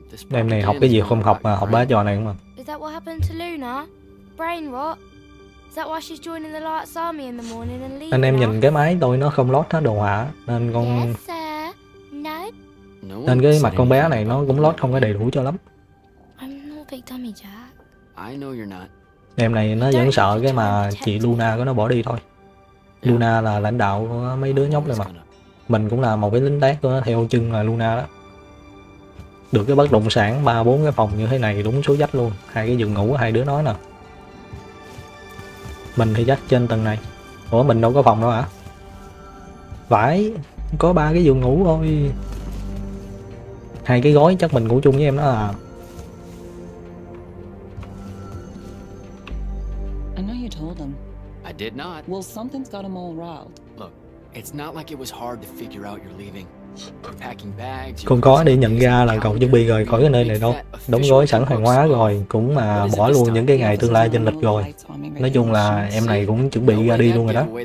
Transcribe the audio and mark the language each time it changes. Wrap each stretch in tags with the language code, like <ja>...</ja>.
<vi>Em này học cái gì không học mà học ba trò này không à?</vi> <en>Is that what happened to Luna? Brain rot? Is that why she's joining the Light's Army in the morning and leaving?</en> <vi>Anh em nhìn cái máy tôi nó không lót hết đồ họa nên con.</vi> <en>Yes, sir. No.</en> <vi>Nên cái mặt con bé này nó cũng lót không có đầy đủ cho lắm.</vi> <en>I'm no big dummy, Jack. I know you're not.</en> <vi>Em này nó vẫn sợ cái mà chị Luna của nó bỏ đi thôi. Luna là lãnh đạo của mấy đứa nhóc này mà. Mình cũng là một cái lính đác theo chân là Luna đó. Được cái bất động sản 3-4 cái phòng như thế này đúng số dách luôn. Hai cái giường ngủ của hai đứa nói nè. Mình thì dách trên tầng này. Ủa mình đâu có phòng đâu hả? Phải, có ba cái giường ngủ thôi. Hai cái gói chắc mình ngủ chung với em đó à.</vi> <en>I know you told them. I did not. Well, something's got them all riled. It's not like it was hard to figure out you're leaving. Packing bags.</en> <vi>Không có để nhận ra là cậu chuẩn bị rời khỏi cái nơi này đâu. Đóng gói sẵn hàng hóa rồi, cũng mà bỏ luôn những cái ngày tương lai trên lịch rồi. Nói chung là em này cũng chuẩn bị ra đi luôn rồi đó.</vi>